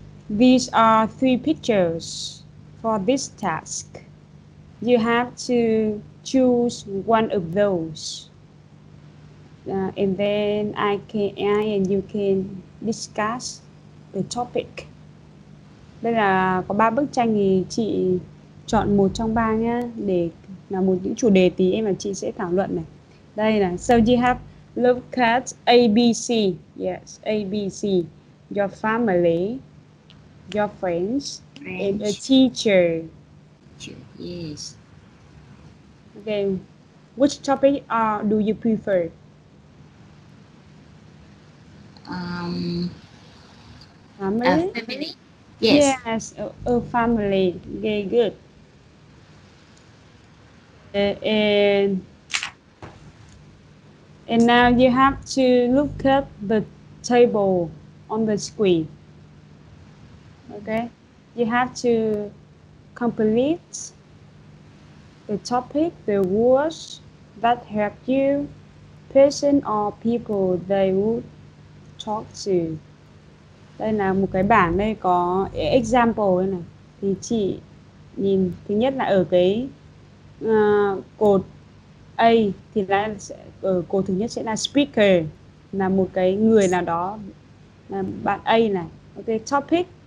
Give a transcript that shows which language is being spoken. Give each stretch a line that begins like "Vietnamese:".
English: These are three pictures for this task. You have to choose one of those. And then I and you can discuss the topic.
Vietnamese: Đây là có ba bức tranh thì chị chọn một trong ba nhá, để là một những chủ đề tí em và chị sẽ thảo luận này. Đây là
English: so you have look at ABC. Yes, ABC. Your family, your friends. And a teacher. Yes. Okay. Which topic do you prefer? Family? Yes. Yes, a family. Okay, good. And now you have to look at the table on the screen. Okay? You have to complete the topic, the words that help you, person or people they would talk to.
Vietnamese: Đây là một cái bảng, đây có example đây này. Thì chị nhìn thứ nhất là ở cái cột A thì là ở cột thứ nhất sẽ là speaker, là một cái người nào đó, là bạn A này. Ok, topic.